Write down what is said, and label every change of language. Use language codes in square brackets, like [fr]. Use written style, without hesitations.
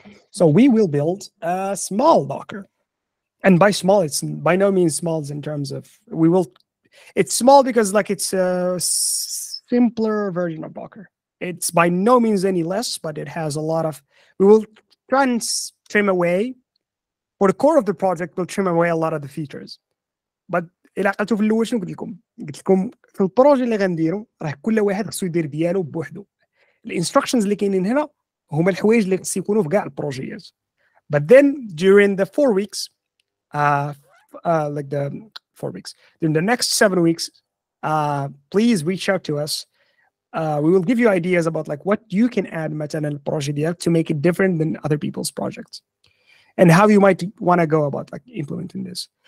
[en] So we will build a small Docker. And by small, it's by no means small in terms of, it's small because like it's a simpler version of Docker. It's by no means any less, but it has a lot of, we will try and trim away, for the core of the project, we'll trim away a lot of the features. But [ar] إلا قلتوا في اللوش نقول لكم, قلت لكم في البروجي اللي غنديرو, راه كل واحد خصو يدير ديالو بوحدو. الانستركشنز اللي كاينين هنا, هما الحوايج اللي خصو يكونوا في قاع البروجيات. [en] But then, during the 4 weeks, like the 4 weeks, during the next 7 weeks, please reach out to us. We will give you ideas about like what you can add Matanel project to make it different than other people's projects, and how you might want to go about like implementing this.